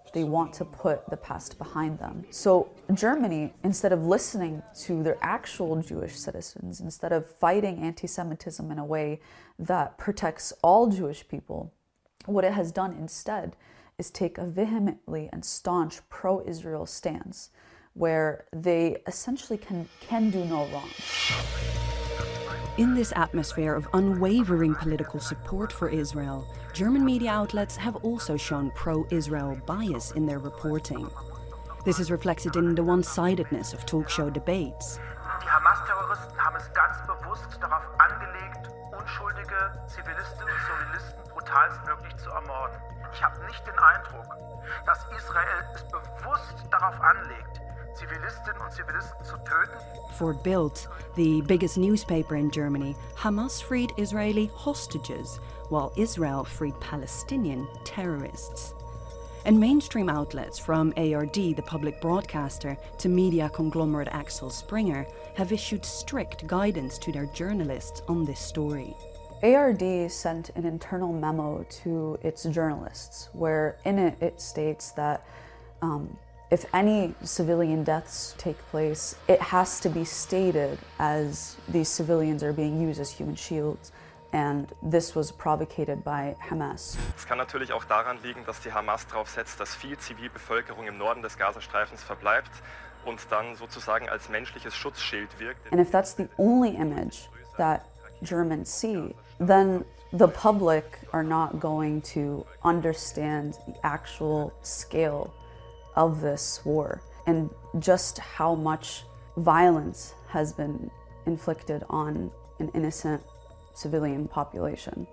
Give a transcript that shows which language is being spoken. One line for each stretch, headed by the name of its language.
English: They want to put the past behind them. So Germany, instead of listening to their actual Jewish citizens, instead of fighting anti-Semitism in a way that protects all Jewish people, what it has done instead is take a vehemently and staunch pro-Israel stance where they essentially can do no wrong. In this atmosphere of unwavering political support for Israel, German media outlets have also shown pro-Israel bias in their reporting. This is reflected in the one-sidedness of talk show debates.
German: Die Hamas-Terroristen haben es ganz bewusst darauf angelegt, unschuldige Zivilisten und Zivilisten brutalstmöglich zu ermorden. Ich habe nicht den Eindruck, dass Israel es bewusst darauf anlegt, Zivilisten und Zivilisten zu töten.
English: For Bild, the biggest newspaper in Germany, Hamas freed Israeli hostages, while Israel freed Palestinian terrorists. And mainstream outlets, from ARD, the public broadcaster, to media conglomerate Axel Springer, have issued strict guidance to their journalists on this story. ARD sent an internal memo to its journalists, where in it it states that if any civilian deaths take place, it has to be stated as these civilians are being used as human shields, and this was provocated by Hamas.
German: Es kann natürlich auch daran liegen, dass die Hamas drauf setzt, dass viel Zivilbevölkerung im Norden des Gazastreifens verbleibt und dann sozusagen als menschliches Schutzschild wirkt.
English: And if that's the only image that Germans see, then the public are not going to understand the actual scale of this war and just how much violence has been inflicted on an innocent civilian population.